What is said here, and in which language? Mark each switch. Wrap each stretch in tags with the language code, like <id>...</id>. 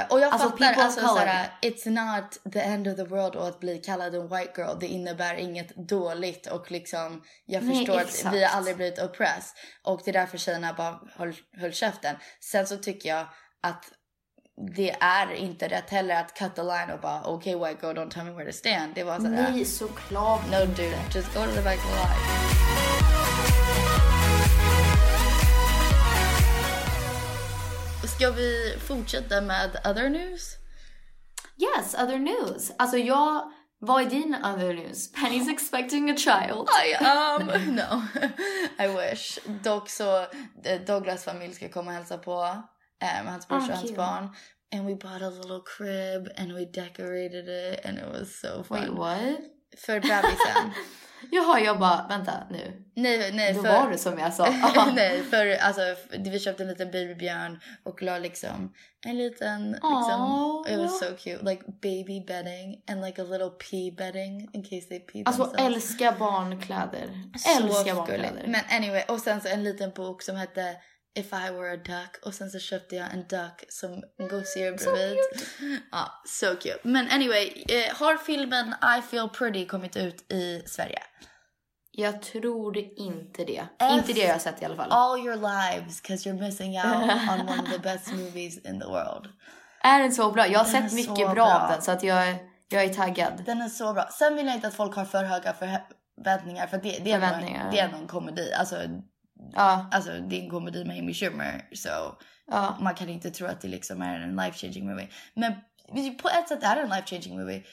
<sv>Och jag alltså, fattar, alltså såhär,</sv> <en>it's not the end of the world</en> <sv>att bli kallad en white girl. Det innebär inget dåligt och liksom, jag förstår att vi har aldrig blivit oppressed. Och det är därför tjejerna bara höll käften. Sen så tycker jag att det är inte rätt heller att</sv> <en>cut the line</en> <sv>och bara,</sv> <en>okay, white girl, don't tell me where to stand.</en> <sv>Det var sådär. Nej, såklart.</sv> <en>No, dude, just go to the back of the line.</en> <sv>Ska vi fortsätta med other news?</sv> <en>Yes, other news.</en> <sv>Alltså jag, vad är din other news?</sv> <en>Penny's expecting a child. I no, I wish.</en> <sv>Dock så, Douglas familj ska komma och hälsa på. Hans brorsa och hans barn.</sv> <en>And we bought a little crib and we decorated it and it was so fun. Wait, what?</en> <sv>För bebisen. Jaha, jag bara, vänta, nu. Nej, då för... var det som jag sa. Nej, för alltså, vi köpte en liten babybjörn och la liksom en liten, liksom,</sv> <en>it was so cute. Like baby bedding and like a little pee bedding in case they pee themselves.</en> <sv>Alltså, älska barnkläder. Älska barnkläder. Men anyway, och sen så en liten bok som hette If I Were a Duck. Och sen så köpte jag en duck som gosier bredvid. Ja,</sv> <en>so cute.</en> <sv>Men anyway, har filmen I Feel Pretty kommit ut i Sverige? Jag tror inte det. Inte det jag har sett i alla fall.</sv> <en>All your lives, because you're missing out on one of the best movies in the world.</en> <sv>Är den så bra? Jag har sett mycket bra av den, så att jag är taggad. Den är så bra. Sen vill jag inte att folk har för höga förväntningar, för det är någon komedi. Alltså... Ja. Alltså det är en komedi med Amy Schumer, så ja. Man kan inte tro att det liksom är en</sv> <en>life changing movie.</en> <sv>Men på ett sätt är det en life changing movie.</sv>